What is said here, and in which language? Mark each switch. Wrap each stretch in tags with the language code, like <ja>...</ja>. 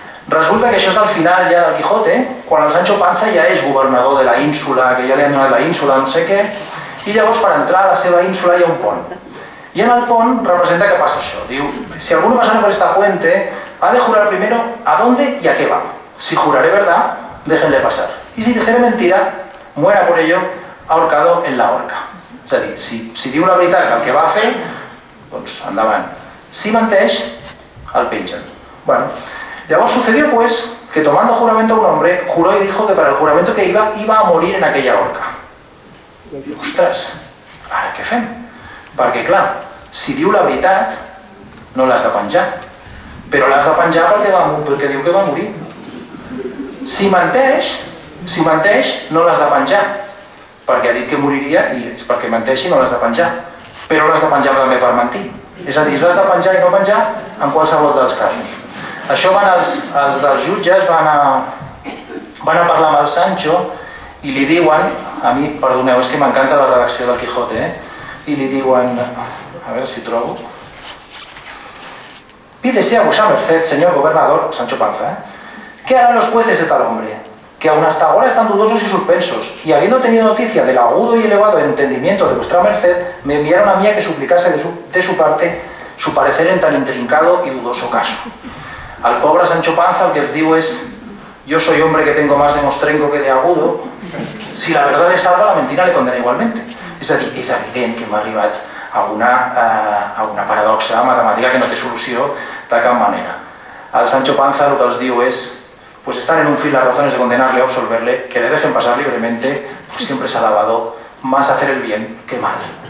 <ca>Resulta que això és el final ja del Quijote, quan el Sancho Panza ja és governador de la ínsula, que ja li han donat la ínsula, no sé què, i llavors per entrar a la seva ínsula hi ha un pont. I en el pont representa que passa això, diu,</ca> <es>si alguno pasa por esta fuente, ha de jurar primero a dónde y a qué va. Si juraré verdad, déjenle pasar. Y si dijere mentira, muera por ello ahorcado en la horca.</es> <ca>És a dir, si diu la veritat el que va a fer, doncs endavant. Si menteix, el pengen.</ca> <es>Bueno, llavors sucedió pues que tomando juramento a un hombre, juró y dijo que para el juramento que iba a morir en aquella horca.</es> <ca>Ostres, ara què fem? Perquè clar, si diu la veritat, no l'has de penjar. Però l'has de penjar perquè diu que va morir. Si menteix, no l'has de penjar. Perquè ha dit que moriria i és perquè menteixi no l'has de penjar. Però l'has de penjar també per mentir. És a dir, l'has de penjar i no penjar en qualsevol dels casos. Això van els dels jutges, van a parlar amb el Sancho i li diuen, a mi, perdoneu, és que m'encanta la redacció del Quijote, i li diuen, a veure si ho trobo,</ca> <es>pídese a vuesa merced, señor gobernador, Sancho Panza, ¿qué harán los jueces de tal hombre? Que aun hasta ahora están dudosos y suspensos, y habiendo tenido noticia del agudo y elevado entendimiento de vuestra merced, me enviaron a mí a que suplicase de su parte su parecer en tan intrincado y dudoso caso. Al pobre Sancho Panza lo que os digo es, yo soy hombre que tengo más de mostrenco que de agudo, si la verdad le salva, la mentira le condena igualmente.</es> <ca>És a dir, és evident que hem arribat a una paradoxa matemàtica que no té solució de cap manera. El Sancho Panza el que els diu és,</ca> <es>pues estar en un fil las razones de condenarle o absolverle, que le dejen pasar libremente, pues siempre se ha lavado más hacer el bien que mal.</es>